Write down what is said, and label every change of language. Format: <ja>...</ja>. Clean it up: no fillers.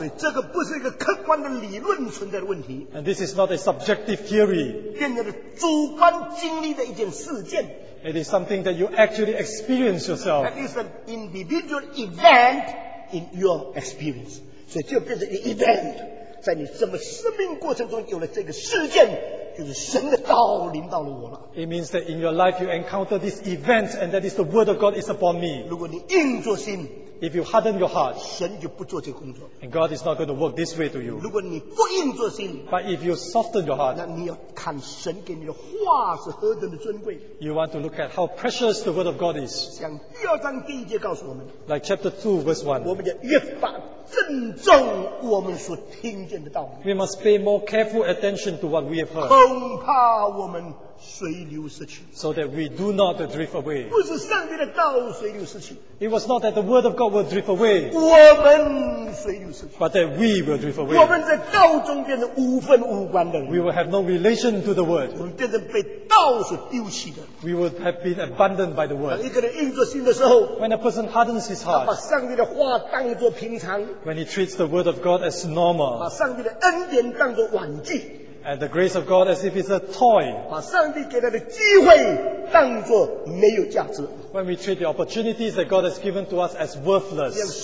<en>And this is not a subjective theory. It is something that you actually experience yourself. That is an individual event in your experience. So it becomes an event.</en> <zh>在你这么生命过程中有了这个事件，就是神的道临到了我了。It</zh> <en>means that in your life you encounter this event, and that is the word of God is upon me.</en> <zh>如果你硬着心,</zh> <en>if you harden your heart,</en> <zh>神就不做这个工作,</zh> <en>and God is not going to work this way to you.</en> <zh>如果你不硬着心,</zh> <en>but if you soften your heart,</en> <zh>那你要看神给你的话是何等的尊贵,</zh> <en>you want to look at how precious the word of God is.</en> <zh>像第二章第一节告诉我们,</zh> <en>like chapter 2, verse 1,</en> <zh>我们就越发</zh> <en>We must pay more careful attention to what we have heard.</en> <zh>恐怕我们随流失去,</zh> <en>so that we do not drift away.</en> <zh>不是上帝的道随流失去,</zh> <en>it was not that the word of God will drift away.</en> <zh>我们随流失去,</zh> <en>but that we will drift away.</en> <zh>我们在道中变得无分无关的人,</zh> <en>we will have no relation to the word.</en> <zh>我们变成被道所丢弃的,</zh> <en>we will have been abandoned by the word.</en> <zh>当一个人硬着心的时候,</zh> <en>when a person hardens his heart,</en> <zh>把上帝的话当作平常,</zh> <en>when he treats the word of God as normal,</en> <zh>把上帝的恩典当作玩具,</zh> <en>and the grace of God as if it's a toy,</en> <zh>把上帝给他的机会当作没有价值,</zh> <en>when we treat the opportunities that God has given to us as worthless,</en>